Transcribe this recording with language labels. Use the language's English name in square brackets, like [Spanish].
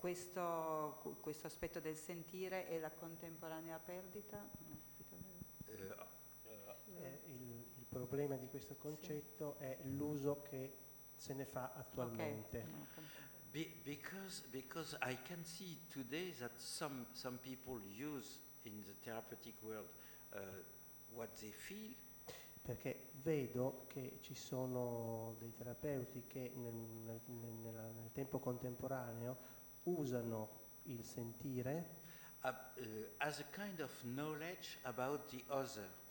[Italian] Questo aspetto del sentire è la contemporanea perdita. Il problema di questo concetto sì. È l'uso che se ne fa attualmente. [English] Okay. Because I can see today that some people use in the therapeutic world what they feel. [Italian] Perché vedo che ci sono dei terapeuti che nel tempo contemporaneo usano il sentire [English] as a kind of knowledge about the other.